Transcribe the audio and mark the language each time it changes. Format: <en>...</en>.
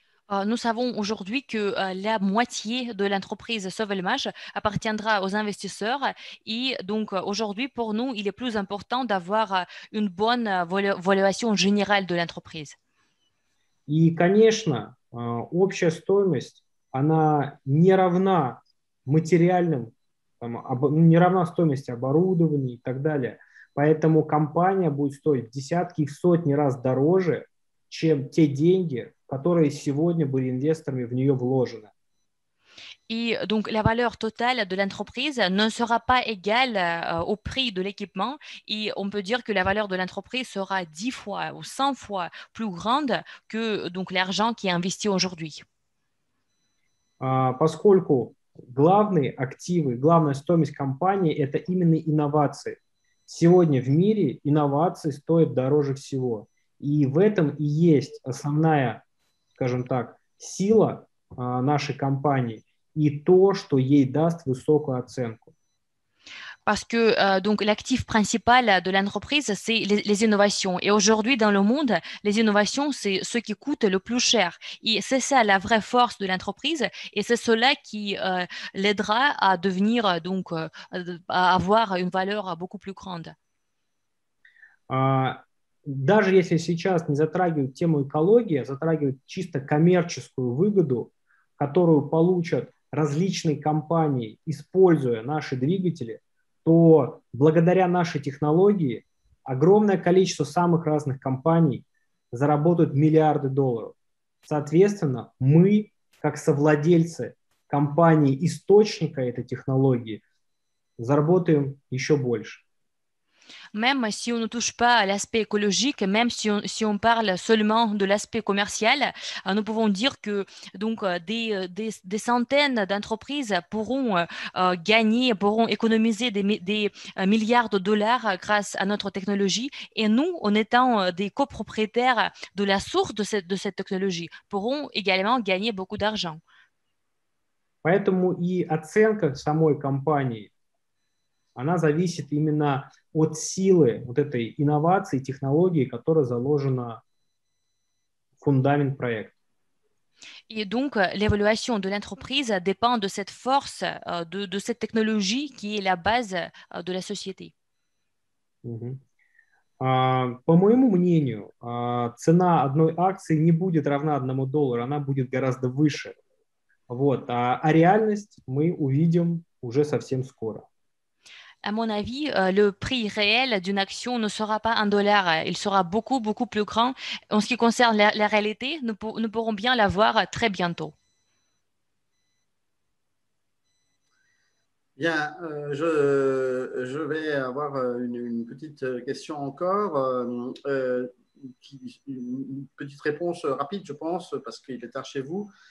<fr>Nous savons aujourd'hui que la moitié de l'entreprise Sovelmash appartiendra aux investisseurs et donc aujourd'hui pour nous il est plus important d'avoir une bonne valuation générale de l'entreprise.</fr> <ru>И, конечно, общая стоимость она не равна материальным, там, не равна стоимости оборудования и так далее. Поэтому компания будет стоить в десятки и сотни раз дороже, чем те деньги, которые сегодня были инвесторами в нее вложены. И,</ru> <fr>donc, la valeur totale de l'entreprise ne sera pas égale au prix de l'équipement, et on peut dire que la valeur de l'entreprise sera 10 fois ou 100 fois plus grande que, donc, l'argent qui est investi aujourd'hui.</fr> <ru>Поскольку главные активы, главная стоимость компании – это именно инновации. Сегодня в мире инновации стоят дороже всего. И в этом и есть основная, скажем так, сила нашей компании и то, что ей даст высокую оценку.</ru> <fr>Parce que donc l'actif principal de l'entreprise c'est les innovations et aujourd'hui dans le monde les innovations c'est ce qui coûte le plus cher et c'est ça la vraie force de l'entreprise et c'est cela qui l'aidera à devenir donc à avoir une valeur beaucoup plus grande.</fr> <ru>Даже если сейчас не затрагивают тему экологии, а затрагивают чисто коммерческую выгоду, которую получат различные компании, используя наши двигатели, то благодаря нашей технологии огромное количество самых разных компаний заработают миллиарды долларов. Соответственно, мы, как совладельцы компании-источника этой технологии, заработаем еще больше.</ru> <fr>Même si on ne touche pas à l'aspect écologique, même si on parle seulement de l'aspect commercial, nous pouvons dire que donc des centaines d'entreprises pourront gagner, pourront économiser des milliards de dollars grâce à notre technologie. Et nous, en étant des copropriétaires de la source de cette technologie, pourrons également gagner beaucoup d'argent.</fr> <ru>Поэтому и оценка самой компании, она зависит именно от силы вот этой инновации, технологии, которая заложена в фундамент проекта. И</ru> <fr>donc l'évaluation de l'entreprise dépend de cette force de cette technologie qui est la base de la société.</fr> <ru>По моему мнению, цена одной акции не будет равна одному доллару, она будет гораздо выше. Вот, а реальность мы увидим уже совсем скоро.</ru> <fr>À mon avis, le prix réel d'une action ne sera pas un dollar, il sera beaucoup, beaucoup plus grand. En ce qui concerne la réalité, nous pourrons bien la voir très bientôt. Bien, je vais avoir une petite question encore, une petite réponse rapide, je pense, parce qu'il est tard chez vous.</fr>